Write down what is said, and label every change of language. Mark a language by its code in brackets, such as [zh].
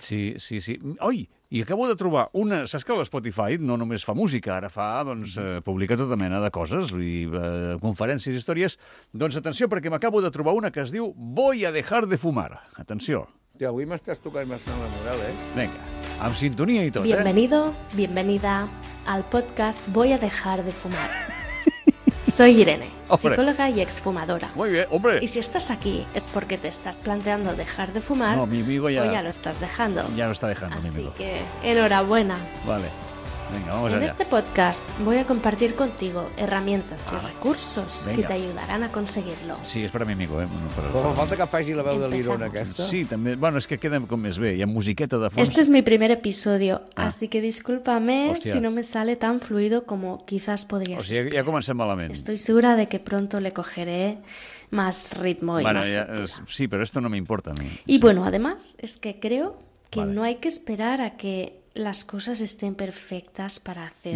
[ca] Sí, sí, sí. Oi, i acabo de trobar una... Saps que l'Spotify no només fa música, ara fa, doncs, publica tota mena de coses, i conferències, històries. Doncs atenció, perquè m'acabo de trobar una que es diu Voy a dejar de fumar. Atenció. Tio, avui m'estàs tocant bastant la moral, eh? Vinga, amb sintonia i tot, [es] Bienvenido, bienvenida al podcast Voy a dejar de fumar. Soy Irene, [ca] psicòloga i exfumadora. [es] Muy bien, hombre. Y si estás aquí es porque te estás planteando dejar de fumar. No, mi amigo ya... O ya lo estás dejando. Ya lo está dejando, Así mi amigo. Así que, enhorabuena. Vale, venga, vamos allá. En este podcast voy a compartir contigo herramientas y recursos que te ayudarán a conseguirlo. [ca] Sí, és per a [es] mi amigo, [ca] eh? No, però falta que faci la veu de l'Irona aquesta. Sí, també. Bueno, és que queda com més bé. Hi ha musiqueta de fons. [es] Este es mi primer episodio, así que discúlpame si no me sale tan fluido como quizás podrías. [ca] O sigui, ja comencem malament. [es] Estoy segura de que pronto le cogeré más ritmo y bueno, más ya, sí, pero esto no me importa a mí. Y bueno, además, es que creo que no hay que esperar a que las cosas estén perfectas para hacer.